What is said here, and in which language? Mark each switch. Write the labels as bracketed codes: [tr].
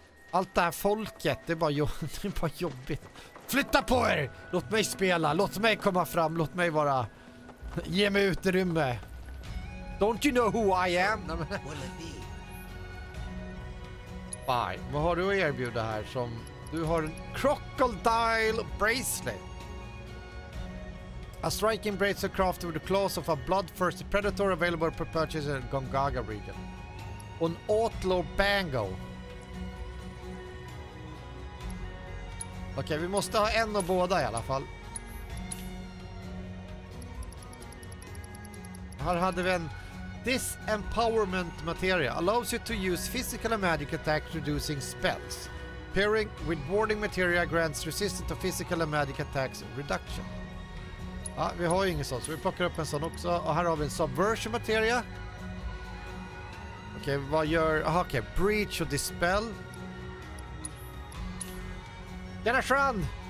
[sv] Allt det här folket, det är bara jobbigt. Flytta på er! Låt mig spela, låt mig komma fram, låt mig vara... Ge mig utrymme. [en] Don't you know who I am? [sv] Bye. Vad har du att erbjuda här som... Du har en crocodile bracelet. [en] A striking bracelet crafted with the claws of a bloodthirsty predator available for purchase in Gongaga region. [sv] Och en Outlaw bangle. Okej, vi måste ha en och båda i alla fall. Här hade vi en disempowerment material. [en] Allows you to use physical and magic attacks reducing spells. Pairing with warding material grants resistance to physical and magic attacks reduction. [sv] Ja, vi har ju ingen sån, så vi plockar upp en sån också. Och här har vi en subversion material. Okej, okay, vad gör... Aha, okej. Okay. Breach och dispel. Gärna skön!